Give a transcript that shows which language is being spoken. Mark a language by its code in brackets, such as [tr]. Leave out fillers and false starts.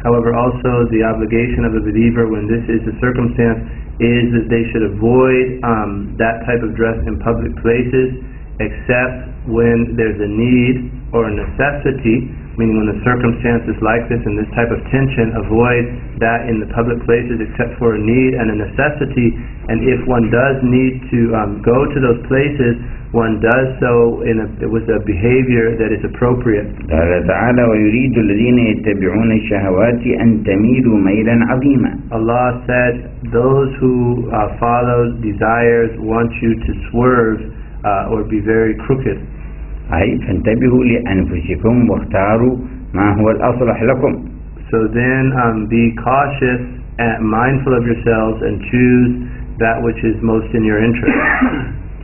[en] However, also the obligation of a believer when this is the circumstance is that they should avoid that type of dress in public places except when there's a need or a necessity, meaning when the circumstance is like this and this type of tension, avoid that in the public places except for a need and a necessity. And if one does need to go to those places, one does so with a behavior that is appropriate. [ar] قال تعالى ويريد الذين يتبعون الشهوات أن تميلوا ميلا عظيما. [en] Allah said, those who follow desires want you to swerve or be very crooked. [ar] أي فانتبهوا لأنفسكم واختاروا ما هو الأصلح لكم. [en] So then be cautious and mindful of yourselves and choose that which is most in your interest.